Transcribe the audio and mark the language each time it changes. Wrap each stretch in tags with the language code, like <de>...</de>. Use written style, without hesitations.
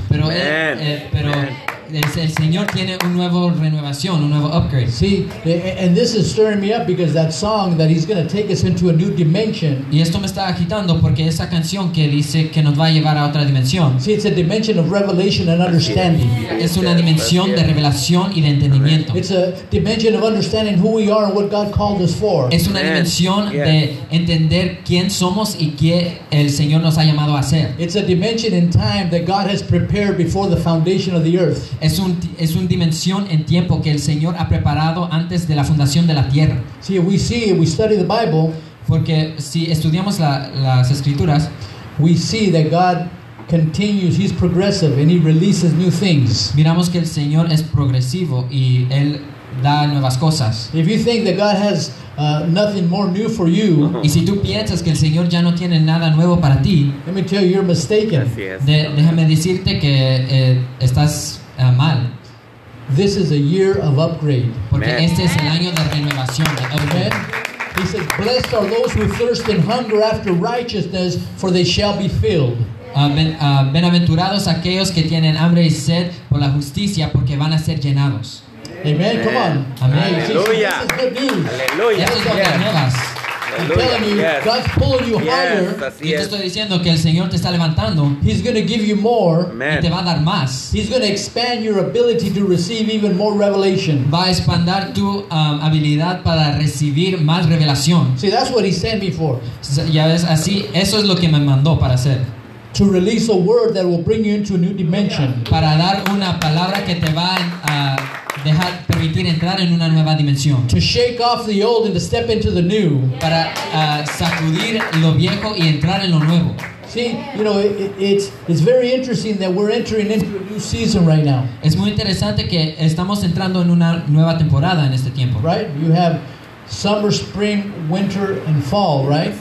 <es>Pero el Señor tiene un nuevo renovación, un nuevo upgrade.</es> <en>See, and this is stirring me up because that song that he's going to take us into a new dimension.</en> <es>Y esto me está agitando porque esa canción que dice que nos va a llevar a otra dimensión.</es> <en>See, it's a dimension of revelation and understanding.</en> <es>Es una dimensión de revelación y de entendimiento.</es> <en>It's a dimension of understanding who we are and what God called us for.</en> <es>Es una dimensión de entender quién somos y qué el Señor nos ha llamado a hacer.</es> <en>It's a dimension in time that God has prepared before the foundation of the earth.</en> <es>Es una dimensión en tiempo que el Señor ha preparado antes de la fundación de la tierra.</es> <en>See, we see, we study the Bible,</en> <es>porque si estudiamos las escrituras,</es> <en>we see that God continues, he's progressive and he releases new things.</en> <es>Miramos que el Señor es progresivo y él da nuevas cosas.</es> <en>If you think that God has nothing more new for you,</en> <es>y si tú piensas que el Señor ya no tiene nada nuevo para ti,</es> <en>let me tell you, you're mistaken.</en> <es>Déjame decirte que estás mal.</es> <en>This is a year of upgrade.</en> <es>Porque man, este es el año de renovación.</es> <en>Amen. He says, blessed are those who thirst and hunger after righteousness, for they shall be filled.</en> <es>Bienaventurados aquellos que tienen hambre y sed por la justicia, porque van a ser llenados.</es> <en>Amen. Come on. Amen.</en> <es>Aleluya. Aleluya. Eso es lo que nuevas.</es> <en>I'm telling you, yes. God's pulling you higher. Yes,</en> <es>y te estoy diciendo que el Señor te está levantando.</es> <en>He's going to give you more. Amen.</en> <es>Y te va a dar más.</es> <en>He's going to expand your ability to receive even more revelation.</en> <es>Va a expandar tu habilidad para recibir más revelación.</es> <en>See, that's what he sent me for.</en> <es>Ya ves, así, eso es lo que me mandó para hacer.</es> <en>To release a word that will bring you into a new dimension.</en> <es>Para dar una palabra que te va a dejar permitir entrar en una nueva dimensión.</es> <en>To shake off the old and to step into the new.</en> <es>Para sacudir lo viejo y entrar en lo nuevo.</es> <en>See, you know, it's very interesting that we're entering into a new season right now.</en> <es>Es muy interesante que estamos entrando en una nueva temporada en este tiempo.</es> <en>Right? You have summer, spring, winter, and fall, right?</en>